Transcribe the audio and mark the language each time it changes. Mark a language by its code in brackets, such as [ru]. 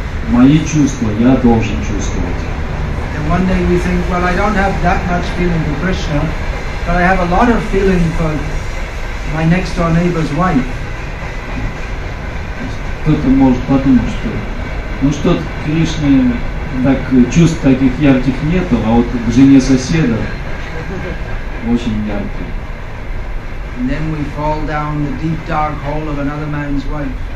[ru] Мои чувства, я должен чувствовать. [en] And one day we think, well, I don't have that much feeling for Krishna, but I have a lot of feeling for my next door neighbor's wife. [ru] Кто-то может подумать, что ну что-то Кришне так чувств таких ярких нету, а вот к жене соседа очень яркие. [en] And then we fall down the deep dark hole of another man's wife.